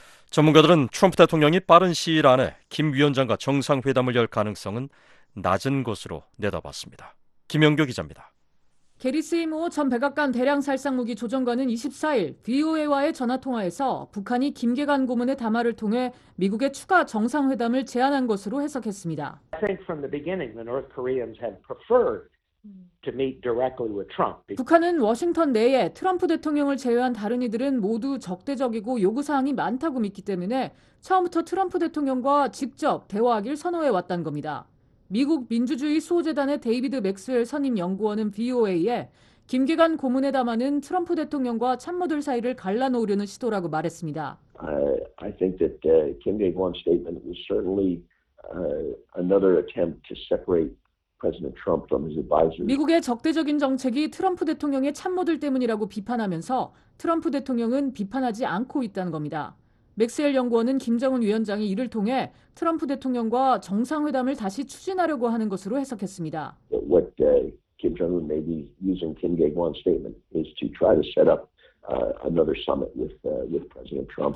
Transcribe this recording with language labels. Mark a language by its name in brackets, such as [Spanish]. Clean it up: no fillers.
[Korean] 전문가들은 트럼프 대통령이 빠른 시일 안에 김 위원장과 정상회담을 열 가능성은 낮은 것으로 내다봤습니다. 김영규 기자입니다. 게리 세이모어 전 백악관 대량살상무기 조정관은 24일 VOA와의 전화통화에서 북한이 김계관 고문의 담화를 통해 미국의 추가 정상회담을 제안한 것으로 해석했습니다. [English] I think from the beginning the North Koreans had preferred to meet directly with Trump. [Korean] 북한은 워싱턴 내에 트럼프 대통령을 제외한 다른 이들은 모두 적대적이고 요구사항이 많다고 믿기 때문에 처음부터 트럼프 대통령과 직접 대화하길 선호해왔다는 겁니다. 미국 민주주의 수호재단의 데이비드 맥스웰 선임 연구원은 VOA에 김계관 고문의 담화는 트럼프 대통령과 참모들 사이를 갈라놓으려는 시도라고 말했습니다. [English] I think that the Kim Gae-gwan statement was certainly another attempt to separate President Trump from his advisors. [Korean] 미국의 적대적인 정책이 트럼프 대통령의 참모들 때문이라고 비판하면서 트럼프 대통령은 비판하지 않고 있다는 겁니다. 맥스웰 연구원은 김정은 위원장이 이를 통해 트럼프 대통령과 정상회담을 다시 추진하려고 하는 것으로 해석했습니다. [English] What Kim Jong-un may be using Kim Gae-gwan's statement is to try to set up another summit with President Trump.